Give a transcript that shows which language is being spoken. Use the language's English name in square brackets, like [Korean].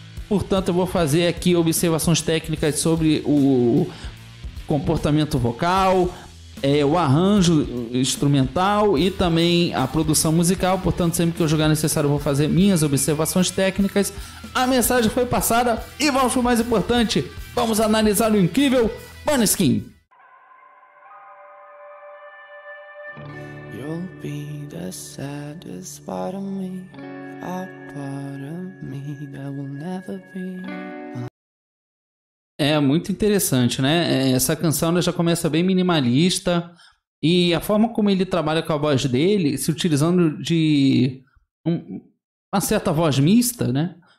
[Portuguese] Portanto, eu vou fazer aqui observações técnicas sobre o comportamento vocal, o arranjo instrumental e também a produção musical. Portanto, sempre que eu julgar necessário, eu vou fazer minhas observações técnicas. A mensagem foi passada e vamos para o mais importante. Vamos analisar o incrível Maneskin. [English] You'll be the saddest part of me. A part of me that will never be. [Portuguese] É muito interessante, né? Essa canção já começa bem minimalista e a forma como ele trabalha com a voz dele, se utilizando de uma certa voz mista, né?